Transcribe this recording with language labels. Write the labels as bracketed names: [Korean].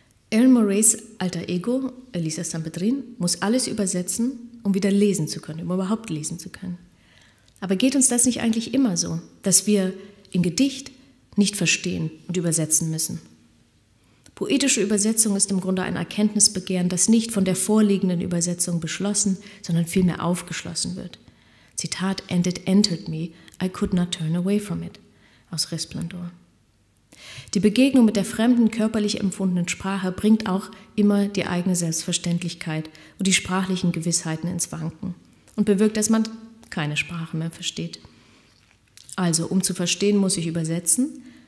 [German] Erin Murrays alter Ego, Elisa Sanpedrin, muss alles übersetzen, um wieder lesen zu können, um überhaupt lesen zu können. Aber geht uns das nicht eigentlich immer so, dass wir im Gedicht nicht verstehen und übersetzen müssen? Poetische Übersetzung ist im Grunde ein Erkenntnisbegehren, das nicht von der vorliegenden Übersetzung beschlossen, sondern vielmehr aufgeschlossen wird. [English] Zitat: And it entered me, I could not turn away from it. [German] Aus Resplandor. Die Begegnung mit der fremden, körperlich empfundenen Sprache bringt auch immer die eigene Selbstverständlichkeit und die sprachlichen Gewissheiten ins Wanken und bewirkt, dass man keine Sprache mehr versteht. Also, um zu verstehen, muss ich übersetzen,